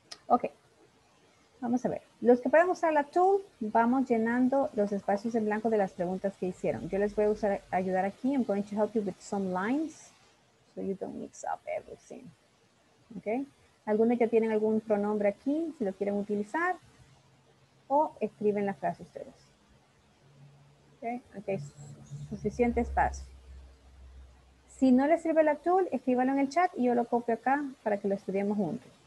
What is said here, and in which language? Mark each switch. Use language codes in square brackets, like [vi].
[es] Okay, vamos a ver. Los que puedan usar la tool, vamos llenando los espacios en blanco de las preguntas que hicieron. Yo les voy a ayudar aquí. [en] I'm going to help you with some lines so you don't mix up everything. Okay. [es] Algunos ya tienen algún pronombre aquí, si lo quieren utilizar, o escriben la frase ustedes. Ok, suficiente espacio. Si no les sirve la tool, escríbalo en el chat y yo lo copio acá para que lo estudiemos juntos.